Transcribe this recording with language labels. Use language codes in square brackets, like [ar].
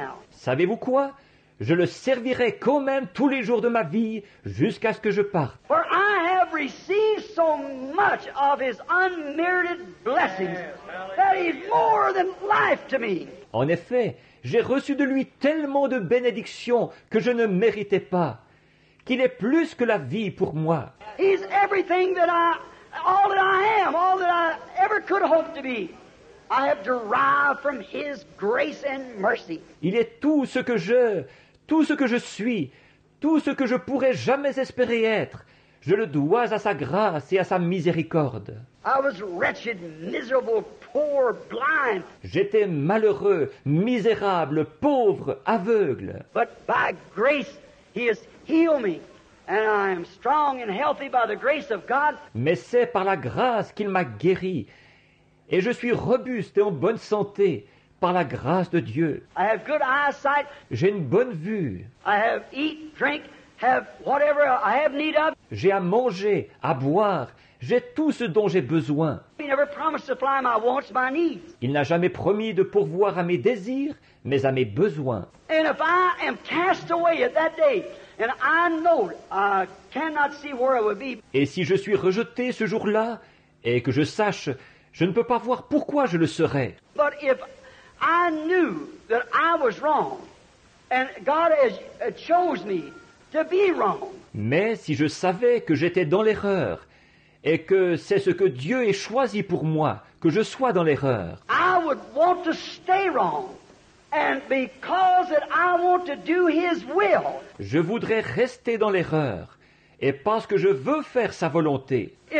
[fr] Savez-vous quoi? Je le servirai quand même tous les jours de ma vie jusqu'à ce que je parte. [en] For I have received so much of his unmerited blessings that he's more than life to me. [fr] En effet, j'ai reçu de lui tellement de bénédictions que je ne méritais pas, qu'il est plus que la vie pour moi. [en] He's everything that I, all that I am, all that I ever could hope to be. I have derived from his grace and mercy. [fr] Il est tout ce que je suis, tout ce que je pourrais jamais espérer être. Je le dois à sa grâce et à sa miséricorde. [en] I was wretched, miserable, poor, blind. [fr] J'étais malheureux, misérable, pauvre, aveugle. [en] But by grace he has healed me. And I am strong and healthy by the grace of God. [fr] Mais c'est par la grâce qu'il m'a guéri. Et je suis robuste et en bonne santé par la grâce de Dieu. [en] I have good eyesight. [fr] J'ai une bonne vue. [en] I have eat, drink, have whatever I have need of. [fr] J'ai à manger, à boire. J'ai tout ce dont j'ai besoin. [en] He never promised to supply my wants, my needs. [fr] Il n'a jamais promis de pourvoir à mes désirs, mais à mes besoins. [en] And if I am cast away at that day, and I know I cannot see where I would be. [fr] Et si je suis rejeté ce jour-là, et que je sache, je ne peux pas voir pourquoi je le serais. [en] But if I knew that I was wrong, and God has chose me to be wrong. [fr] Mais si je savais que j'étais dans l'erreur, et que c'est ce que Dieu ait choisi pour moi, que je sois dans l'erreur. [en] I would want to stay wrong, and because that I want to do His will. [fr] Je voudrais rester dans l'erreur. Et parce que je veux faire sa volonté.